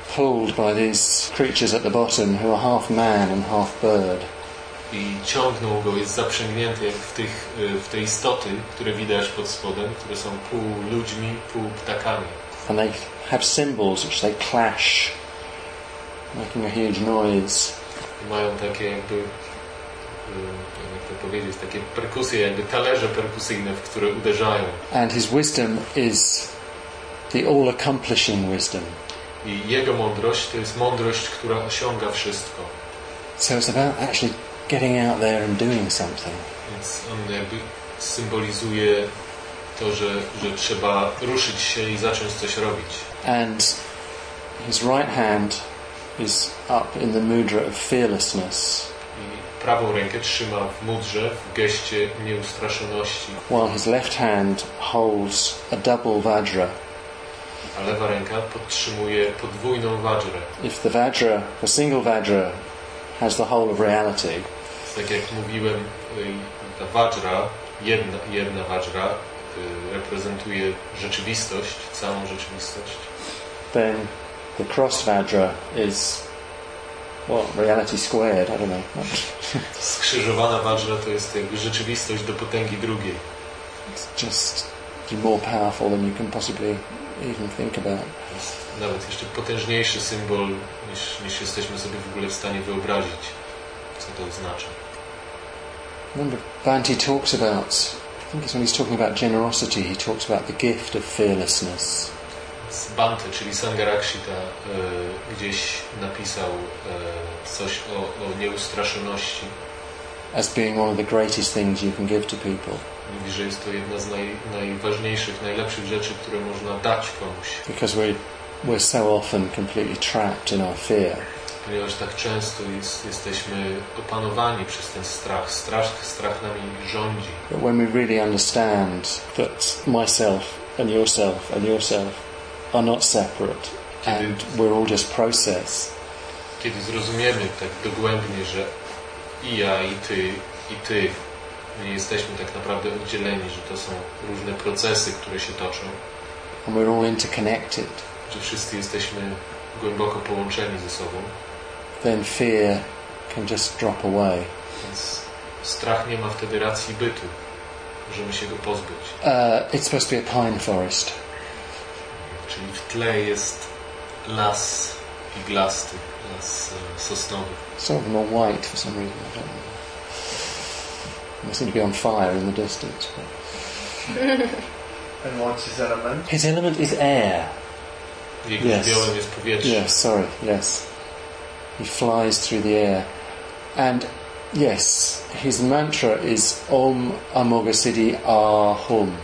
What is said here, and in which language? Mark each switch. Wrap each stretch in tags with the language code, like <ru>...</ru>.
<en>Pulled by these creatures at the bottom who are half man and half bird.</en> <pl>I ciągnął go, jest zaprzęgnięty jak w te istoty, które widać pod spodem, które są pół ludźmi, pół ptakami.</pl> <en>And they have symbols which they clash, making a huge noise.</en> <pl>I mają takie jakby, jak to powiedzieć, takie perkusje, jakby talerze perkusyjne, w które uderzają.</pl> <en>And his wisdom is the all-accomplishing wisdom.</en> <pl>I jego mądrość to jest mądrość, która osiąga wszystko.</pl> <en>So it's about actually getting out there and doing something.</en> <pl>Więc on jakby symbolizuje to, że trzeba ruszyć się i zacząć coś robić.</pl> <en>And his right hand is up in the mudra of fearlessness.</en> <pl>I prawą rękę trzyma w mudrze, w geście nieustraszoności.</pl> <en>While his left hand holds a double vajra.</en> <pl>A lewa ręka podtrzymuje podwójną vajrę.</pl> <en>If the vajra, a single vajra, has the whole of reality.</en> <pl>Tak jak mówiłem, ta vajra, jedna vajra, reprezentuje rzeczywistość, całą rzeczywistość.</pl> <en>Then the cross vajra is, well, reality squared, I don't know.</en> <pl>Skrzyżowana vajra to jest jakby rzeczywistość do potęgi drugiej.</pl> <en>It's just more powerful than you can possibly even think about.</en> <pl>Nawet jeszcze potężniejszy symbol, niż jesteśmy sobie w ogóle w stanie wyobrazić, co to oznacza.</pl> <en>Remember, Bhante talks about, I think it's when he's talking about generosity, he talks about the gift of fearlessness.</en> <pl>Bhante, czyli Sangharakshita, gdzieś napisał coś o nieustraszoności.</pl> <en>As being one of the greatest things you can give to people.</en> <pl>Mówi, że jest to jedna z najważniejszych, najlepszych rzeczy, które można dać komuś.</pl> <en>Because we're so often completely trapped in our fear.</en> <pl>Ponieważ tak często jesteśmy opanowani przez ten strach. Strach nami rządzi.</pl> <en>But when we really understand that myself and yourself and yourself are not separate, and we're all just process.</en> <pl>Kiedy zrozumiemy tak dogłębnie, że i ja, i ty nie jesteśmy tak naprawdę oddzieleni, że to są różne procesy, które się toczą.</pl> <en>And we're all interconnected.</en> <pl>Że wszyscy jesteśmy głęboko połączeni ze sobą.</pl> <en>Then fear can just drop away.</en> <pl>Więc strach nie ma wtedy racji bytu. Możemy się go pozbyć.</pl> <en>It's supposed to be a pine forest.</en> <pl>Czyli w tle jest las iglasty, las sosnowy.</pl> <en>Sort of more white for some reason, I don't know. They seem to be on fire in the distance. And what's his element? His element is air. Yes. Yes, sorry, yes. He flies through the air. And yes, his mantra is Om Amoghasiddhi Ahom.</en>